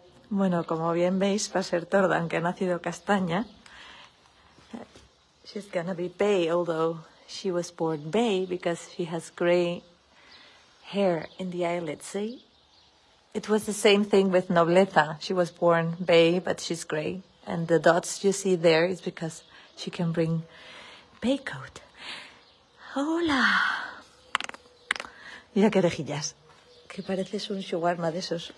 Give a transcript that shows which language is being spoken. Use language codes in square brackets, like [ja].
[es] Bueno, como bien veis, va a ser torda, aunque ha nacido castaña. [en] She's gonna be bay, although she was born bay because she has gray hair in the eyelids, see? It was the same thing with nobleza. She was born bay, but she's gray. And the dots you see there is because she can bring bay coat. [es] Hola. Mira qué orejillas, que pareces un shawarma de esos.